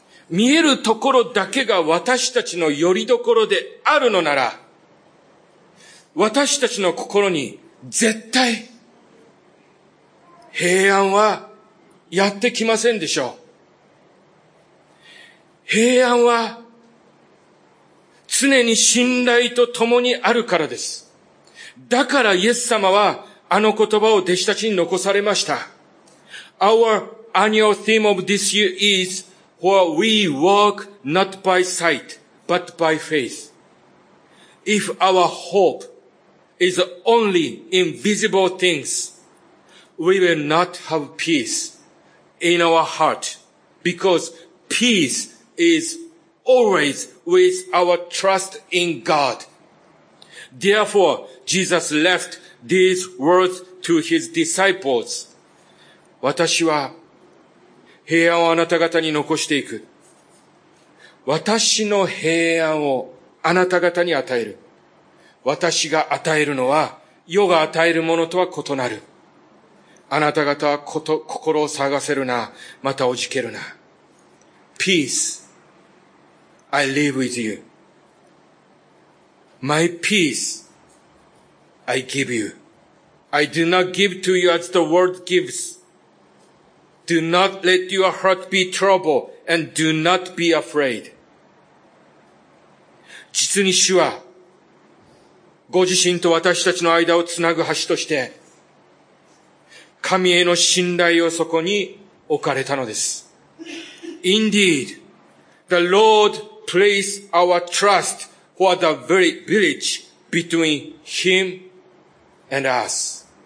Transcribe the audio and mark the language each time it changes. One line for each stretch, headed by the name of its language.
Japanese: 見えるところだけが私たちの拠り所であるのなら、私たちの心に絶対、平安はやってきませんでしょう。平安は常に信頼と共にあるからです。だからイエス様はあの言葉を弟子たちに残されました。
English: Our annual theme of this year is For we walk not by sight, but by faith. If our hope is only in visible things, we will not have peace in our heart because peaceis always with our trust in God. Therefore, Jesus left these words to his disciples.
Japanese: 私は平安をあなた方に残していく。私の平安をあなた方に与える。私が与えるのは世が与えるものとは異なる。あなた方は心を探せるな、またおじけるな。
English: Peace. I live with you. My peace I give you. I do not give to you as the world gives. Do not let your heart be troubled and do not be afraid.
Japanese: 実に主はご自身と私たちの間をつなぐ橋として神への信頼をそこに置かれたのです。
English: Indeed, the LordPlace our trust for the very bridge between Him and us.